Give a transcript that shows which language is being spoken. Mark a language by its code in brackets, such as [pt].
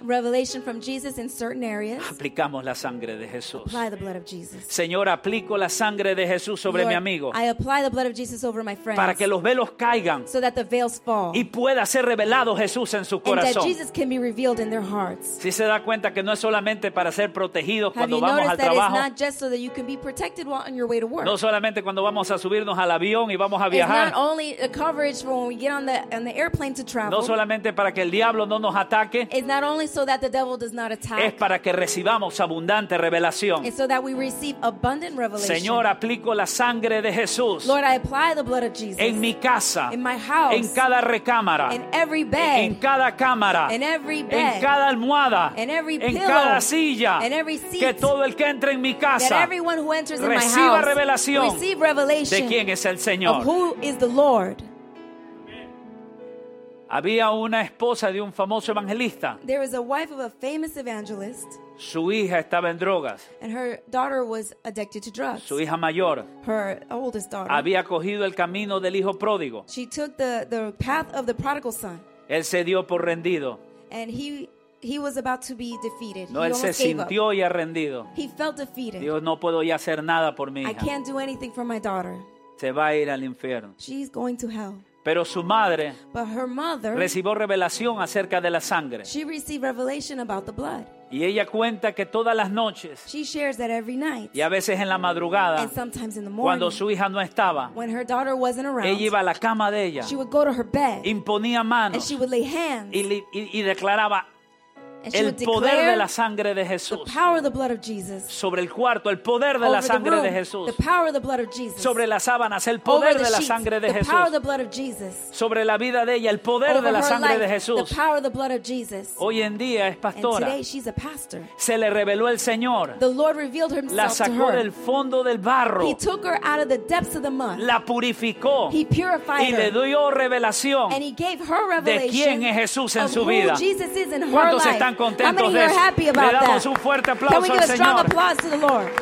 [en] Revelation from Jesus in certain areas. [es] Aplicamos la sangre de Jesús. [en] Apply the blood of Jesus. [es] Señor, aplico la sangre de Jesús sobre [en] Lord, [es] mi amigo. [en] I apply the blood of Jesus over my friends. [es] Para que los velos caigan. [en] So that the veils fall. [es] Y pueda ser revelado Jesús en su corazón. [en] And that Jesus can be revealed in their hearts. [es] Si se da cuenta que no es solamente para ser protegidos [en] have [es] cuando vamos al trabajo. [en] It's not just so that you can be protected while on your way to work. [es] No solamente cuando vamos a subirnos al avión y vamos a viajar. [en] It's not only a coverage for when we get on the airplane to travel. [es] No solamente para que el diablo no nos ataque. [en] It's not only so that the devil does not attack. [es] Es para que recibamos abundante revelación. [en] It's so that we receive abundant revelation. [es] Señor, aplico la sangre de Jesús. [en] Lord, I apply the blood of Jesus. [es] En mi casa. [en] In my house. [es] En cada recámara. [en] In every bed. [es] En cada cámara. [en] In every bed. [es] En cada almohada. [en] In every pillow. [es] En cada silla. [en] In every seat. [es] Que todo el que entre en mi casa. [en] That everyone who enters in my house. [es] Reciba revelación. [en] Receive revelation. [es] De quién es el Señor. [en] Of who is the Lord? [es] Había una esposa de un famoso evangelista. [en] There was a wife of a famous evangelist. [es] Su hija estaba en drogas. [en] And her daughter was addicted to drugs. [es] Su hija mayor. [en] Her oldest daughter. [es] Había cogido el camino del hijo pródigo. [en] She took the path of the prodigal son. [es] Él se dio por rendido. [en] And he was about to be defeated. [es] No, él se sintió ya rendido. [en] He felt defeated. [es] Dios, no puedo ya hacer nada por mi hija. [en] I can't do anything for my daughter. [es] Se va a ir al infierno. [en] She's going to hell. [es] Pero su madre [en] mother, [es] recibió revelación acerca de la sangre. [en] She received revelation about the blood. [es] Y ella cuenta que todas las noches [en] she shares that every night, [es] y a veces en la madrugada [en] and sometimes in the morning, [es] cuando su hija no estaba [en] when her daughter wasn't around, [es] ella iba a la cama de ella [en] she would go to her bed, [es] imponía manos [en] and she would lay hands, [es] y declaraba [en] and [es] el poder de la sangre de Jesús [en] the power of the blood of Jesus, [es] sobre el cuarto el poder de la sangre [en] room, [es] de Jesús [en] the power of the blood of Jesus, [es] sobre las sábanas el poder de la sangre de Jesús [en] the power of the blood of Jesus, [es] sobre la vida de ella el poder de la sangre [en] life, [es] de Jesús [en] the power of the blood of Jesus. [es] Hoy en día es pastora [en] and today she's a pastor. [es] Se le reveló el Señor [en] the Lord revealed himself [es] la sacó [en] to her. [es] Del fondo del barro [en] he took her out of the depths of the mud. [es] La purificó [en] he purified [es] y le dio revelación [en] and he gave her revelation [es] de quién es Jesús en [en] of [es] su vida [en] Jesus is in her life. [es] Están contentos de eso. Le damos un fuerte aplauso al Señor.